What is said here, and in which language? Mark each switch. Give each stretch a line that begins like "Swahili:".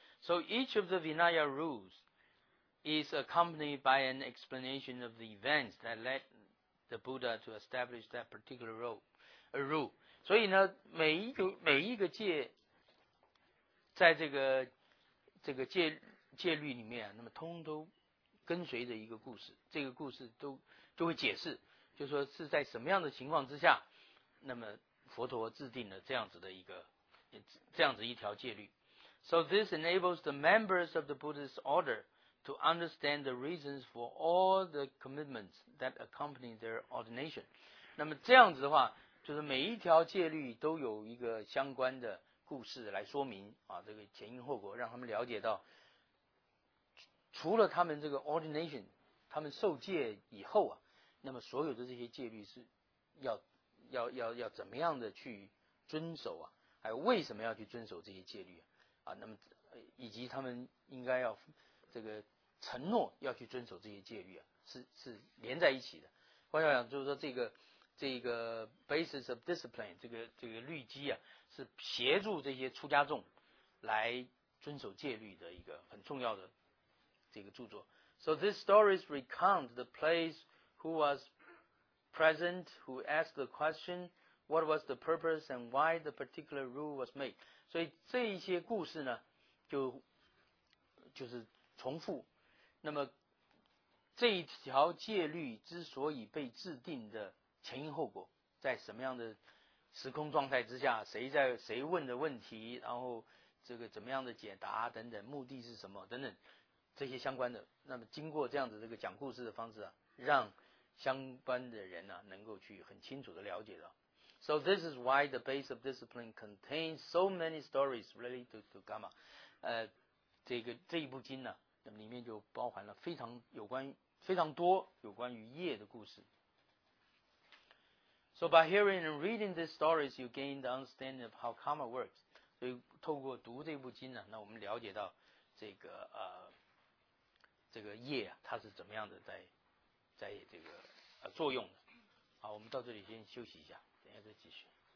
English: So each of the Vinaya rules is accompanied by an explanation of the events that led the Buddha to establish that particular rule。
Chinese: 所以呢，每一个戒，在这个戒律里面、那么通都跟随着一个故事，这个故事都就会解释，就是说是在什么样的情况之下，那么佛陀制定了这样子一条戒律。
English: So this enables the members of the Buddhist order to understand the reasons for all the commitments that accompany their ordination。
Chinese: 那么这样子的话，就是每一条戒律都有一个相关的故事来说明啊，这个前因后果，让他们了解到，除了他们这个 ordination， 他们受戒以后啊，那么所有的这些戒律是要怎么样的去遵守啊，还有为什么要去遵守这些戒律啊，那么以及他们应该要这个承诺要去遵守这些戒律啊，是连在一起的。关校长就是说这个 basis of discipline，这个律基啊，是协助这些出家众来遵守戒律的一个很重要的这个著作。
English: So these stories recount the place who was present, who asked the question, what was the purpose, and why the particular rule was made。
Chinese: 所以这一些故事呢，就是重复。那么这一条戒律之所以被制定的前因后果，在什么样的时空状态之下，谁问的问题，然后这个怎么样的解答等等，目的是什么等等，这些相关的，那么经过这样子这个讲故事的方式啊，让相关的人啊能够去很清楚的了解到。
English: So this is why the base of discipline contains so many stories related to karma。
Chinese: 这一部经呢、啊，那么里面就包含了非常多有关于业的故事。
English: So by hearing and reading these stories, you gain the understanding of how karma works。
Chinese: 所以透过读这部经呢，那我们了解到这个业啊，它是怎么样的在这个作用的。好，我们到这里先休息一下，等一下再继续。